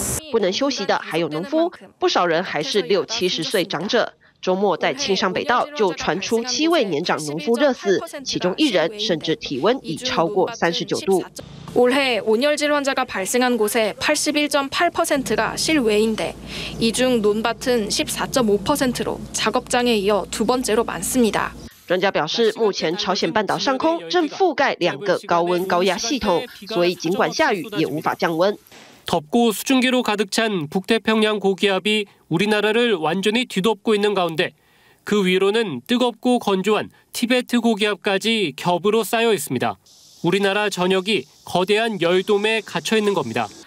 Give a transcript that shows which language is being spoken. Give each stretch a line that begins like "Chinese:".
Chinese: 不能休息的还有农夫，不少人还是60-70岁长者。周末在庆尚北道就传出7位年长农夫热死，其中一人甚至体温已超过39度。
Korean: 올해온열질환자가발생한곳의 81.8% 가실외인데이중논밭은 14.5% 로작업장에이어두번째로많습니다
Chinese: 专家表示，目前朝鲜半岛上空正覆盖2个高温高压系统，所以尽管下雨也无法降温。
Korean: 덥고수증기로가득찬북태평양고기압이우리나라를완전히뒤덮고있는가운데그위로는뜨겁고건조한티베트고기압까지겹으로쌓여있습니다우리나라전역이거대한열돔에갇혀있는겁니다